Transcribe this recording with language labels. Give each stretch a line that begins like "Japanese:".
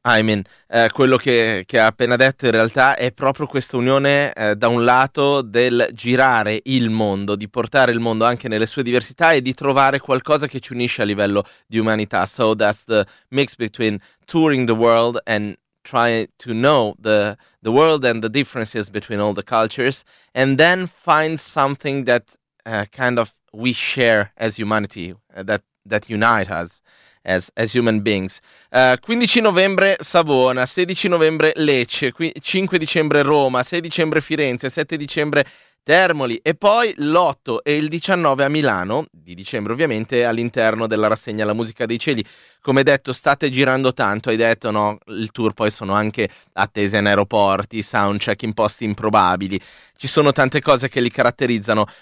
English: I mean,
Italian: quello che ha appena detto in realtà è proprio questa unione, da un lato, del girare il mondo, di portare il mondo anche nelle sue diversità e di trovare qualcosa che ci unisce a livello di umanità.
English: So that's the mix between touring the world and trying to know the world and the differences between all the cultures, and then find something that kind of we share as humanity, that unite us as human beings.
Italian: 15 novembre Savona, 16 novembre Lecce, 5 dicembre Roma, 6 dicembre Firenze, 7 dicembre Termoli e poi l'8 e il 19 a Milano, di dicembre ovviamente, all'interno della rassegna La Musica dei Cieli. Come detto, state girando tanto, hai detto, no, il tour poi sono anche attese in aeroporti, soundcheck in posti improbabili, ci sono tante cose che li caratterizzano.